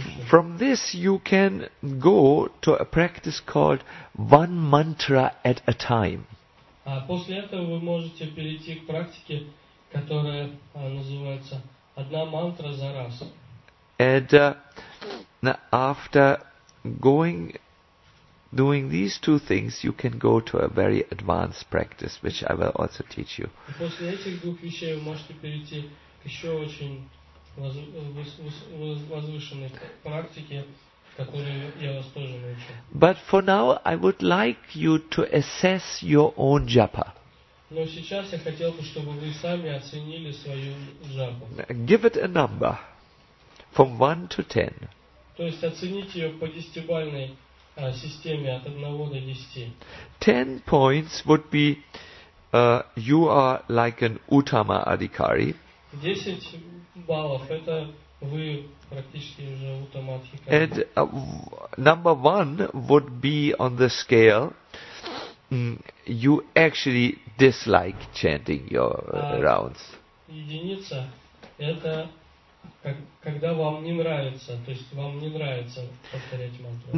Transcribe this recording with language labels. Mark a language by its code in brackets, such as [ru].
[en] From this you can go to a practice called one mantra at a time. [ru] После этого вы можете перейти к практике, которая называется одна мантра за раз. [en] And after going doing these two things, you can go to a very advanced practice, which I will also teach you. [ru] После этих двух вещей вы можете перейти к еще очень возвышенной практике, которую я вас тоже научу. [en] But for now, I would like you to assess your own japa. [ru] Но сейчас я хотел бы, чтобы вы сами оценили свою джапу. [en] Give it a number from 1 to 10. [ru] То есть оцените ее по десятибалльной системе от 1 до 10. [en] 10 points would be you are like an Uttama Adhikari. [ru] 10 баллов это вы практически уже Uttama Adhikari. [en] And number 1 would be on the scale you actually dislike chanting your rounds. [ru] Единица это когда вам не нравится, то есть вам не нравится повторять мантру.